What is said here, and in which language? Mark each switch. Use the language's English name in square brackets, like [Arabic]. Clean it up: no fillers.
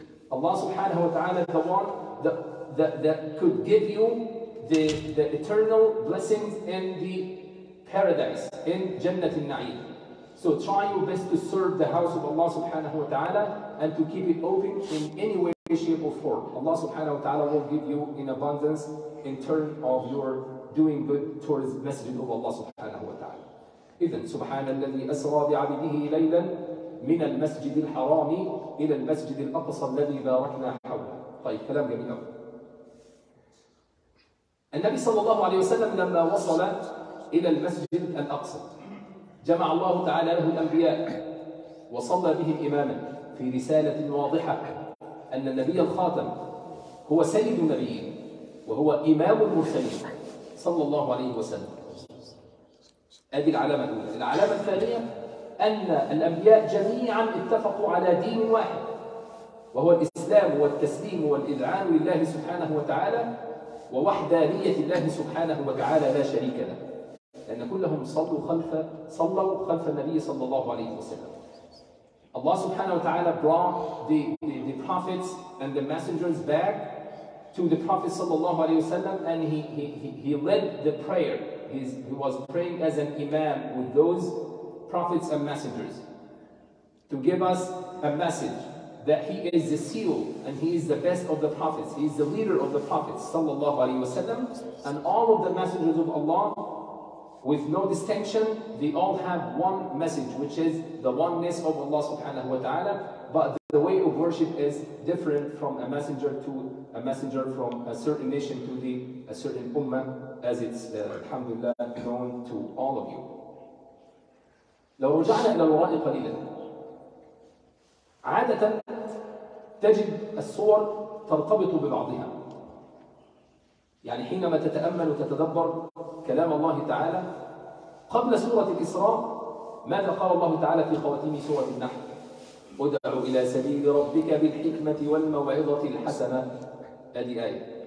[English] Allah subhanahu wa ta'ala, the one that could give you the eternal blessings in the paradise, in Jannat al-Na'im. So try your best to serve the house of Allah subhanahu wa ta'ala and to keep it open in any way, shape or form. Allah subhanahu wa ta'ala will give you in abundance in turn of your doing good towards the Masjid of Allah subhanahu wa ta'ala. [Arabic] إذن سبحان الذي أسرى بعبده ليلا من المسجد الحرام إلى المسجد الأقصى الذي باركنا حوله. طيب كلام جميل. النبي صلى الله عليه وسلم لما وصل إلى المسجد الأقصى جمع الله تعالى له الأنبياء وصلى بهم إماما في رسالة واضحة أن النبي الخاتم هو سيد النبيين وهو إمام المرسلين صلى الله عليه وسلم. هذه العلامة الأولى. العلامة الثانية أن الأنبياء جميعاً اتفقوا على دين واحد وهو الإسلام والتسليم والإذعان لله سبحانه وتعالى ووحدانية الله سبحانه وتعالى لا شريك له، لأن كلهم صلوا خلف النبي صلى الله عليه وسلم. [English] Allah subhanahu wa ta'ala brought the prophets and the messengers back to the Prophet sallallahu alayhi wa sallam and he led the prayer. He was praying as an imam with those prophets and messengers to give us a message that he is the seal and he is the best of the prophets. He is the leader of the prophets sallallahu alayhi wa sallam, and all of the messengers of Allah with no distinction, they all have one message, which is the oneness of Allah subhanahu wa ta'ala. But the way of worship is different from a messenger to a messenger, from a certain nation to a certain ummah, as it's alhamdulillah known to all of you. [Arabic] لو رجعنا إلى الوراء قليلا، عادة تجد الصور ترتبط ببعضها. يعني حينما تتأمل وتتدبر كلام الله تعالى قبل سورة الإسراء، ماذا قال الله تعالى في خواتيم سورة النحل؟ ادع إلى سبيل ربك بالحكمة والموعظة الحسنة. هذه آية.